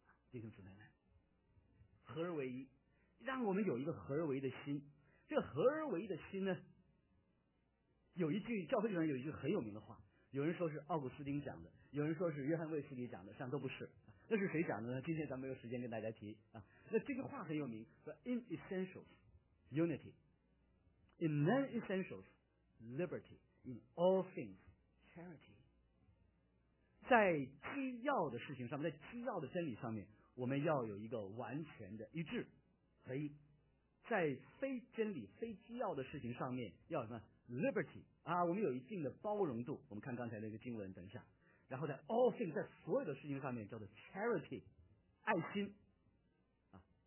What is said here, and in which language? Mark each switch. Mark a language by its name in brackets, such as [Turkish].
[Chinese] 弟兄姊妹们，合而为一，让我们有一个合而为的心。这个合而为的心呢，有一句教会里面有一句很有名的话，有人说是奥古斯丁讲的，有人说是约翰卫斯理讲的，实际上都不是。那是谁讲的呢？今天咱们没有时间跟大家提啊。那这句话很有名，说 [English] in essentials unity, in non essentials liberty, in all things charity。 [Chinese] 在基要的事情上面，在基要的真理上面，我们要有一个完全的一致合一。在非真理、非基要的事情上面，要什么 liberty 啊？我们有一定的包容度。我们看刚才那个经文，等一下。然后在 [English] all things [Chinese] 在所有的事情上面叫做 charity 爱心啊。